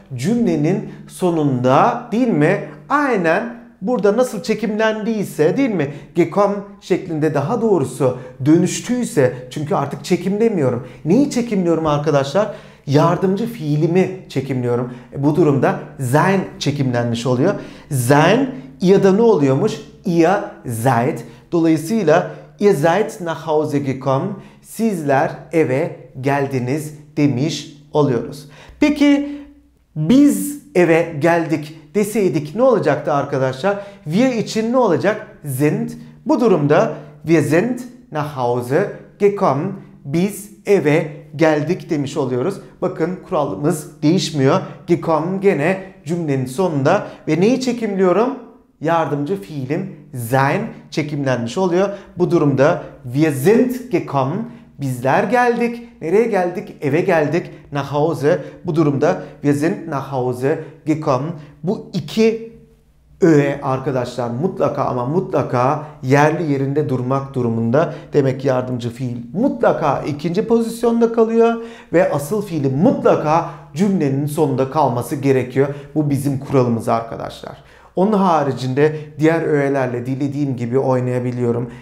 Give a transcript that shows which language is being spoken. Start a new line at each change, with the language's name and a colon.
Turkish: Cümlenin sonunda değil mi? Aynen burada nasıl çekimlendiyse değil mi? Gekommen şeklinde, daha doğrusu dönüştüyse, çünkü artık çekimlemiyorum. Neyi çekimliyorum arkadaşlar? Yardımcı fiilimi çekimliyorum. Bu durumda sein çekimlenmiş oluyor. Sein ya da ne oluyormuş?
German: Ihr seid.
Turkish: Dolayısıyla
German: ihr seid nach Hause gekommen.
Turkish: Sizler eve geldiniz demiş oluyoruz. Peki biz eve geldik deseydik ne olacaktı arkadaşlar? Wir için ne olacak? Sind. Bu durumda
German: wir sind nach Hause gekommen.
Turkish: Biz eve geldik demiş oluyoruz. Bakın kuralımız değişmiyor. Gekommen gene cümlenin sonunda ve neyi çekimliyorum? Yardımcı fiilim sein çekimlenmiş oluyor. Bu durumda
German: wir sind gekommen.
Turkish: Bizler geldik. Nereye geldik? Eve geldik.
German: Nach Hause.
Turkish: Bu durumda
German: wir sind nach Hause gekommen.
Turkish: Bu iki öğe arkadaşlar mutlaka ama mutlaka yerli yerinde durmak durumunda. Demek yardımcı fiil mutlaka ikinci pozisyonda kalıyor ve asıl fiili mutlaka cümlenin sonunda kalması gerekiyor. Bu bizim kuralımız arkadaşlar. Onun haricinde diğer öğelerle dilediğim gibi oynayabiliyorum.